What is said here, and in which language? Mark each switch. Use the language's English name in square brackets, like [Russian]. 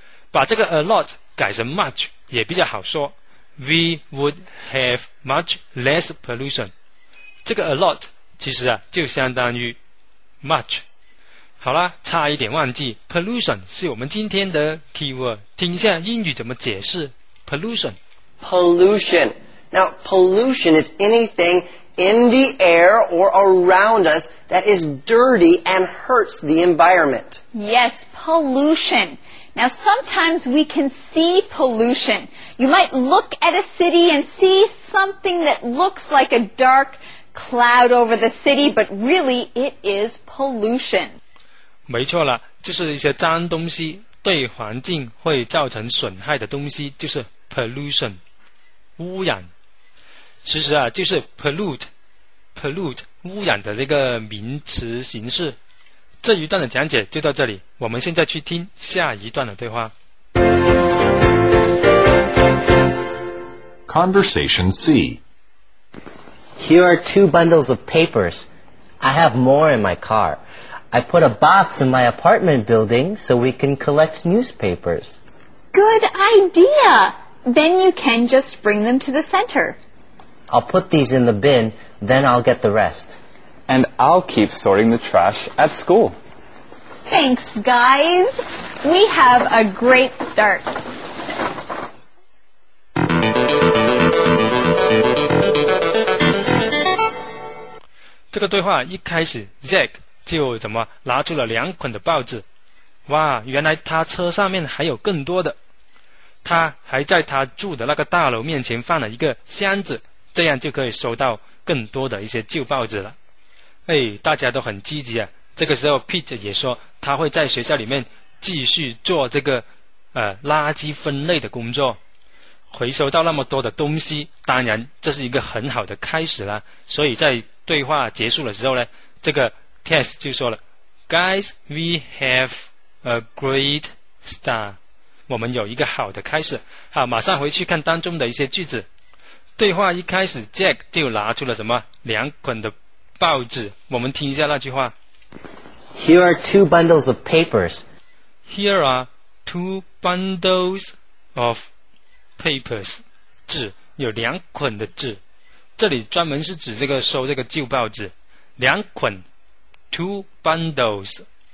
[Chinese] 把这个 a lot 改成 much 也比较好说， [English] we would have much less pollution， [Chinese] 这个 a lot 其实啊就相当于 much。好啦，差一点忘记 ，pollution 是我们今天的 keyword。听一下英语怎么解释 pollution。 [English] Pollution. Now, pollution is anything in the air or around us that is dirty and hurts the environment. Yes, pollution. Now, sometimes we can see pollution. You might look at a city and see something that looks like a dark cloud over the city, but really it is pollution. [Chinese] 没错了，就是一些脏东西对环境会造成损害的东西，就是 pollution， 污染。其实啊，就是 pollute， 污染的这个名词形式。这一段的讲解就到这里，我们现在去听下一段的对话。 [English] Conversation C. Here are two bundles of papers. I have more in my car. I put a box in my apartment building so we can collect newspapers. Good idea! Then you can just bring them to the center. I'll put these in the bin, then I'll get the rest. And I'll keep sorting the trash at school. Thanks, guys! We have a great start. This conversation, at the beginning, Zack. [Chinese] 就怎么拿出了两捆的报纸，哇，原来他车上面还有更多的，他还在他住的那个大楼面前放了一个箱子，这样就可以收到更多的一些旧报纸了。哎，大家都很积极啊。这个时候 Pete 也说他会在学校里面继续做这个垃圾分类的工作，回收到那么多的东西，当然这是一个很好的开始啦。所以在对话结束的时候呢，这个Test 就说了 ， [English] Guys, we have a great start. [Chinese] 我们有一个好的开始。好，马上回去看当中的一些句子。对话一开始 ，Jack 就拿出了什么两捆的报纸。我们听一下那句话。 [English] Here are two bundles of papers. Here are two bundles of papers. [Chinese] 纸有两捆的纸，这里专门是指这个收这个旧报纸，两捆。Two bundles，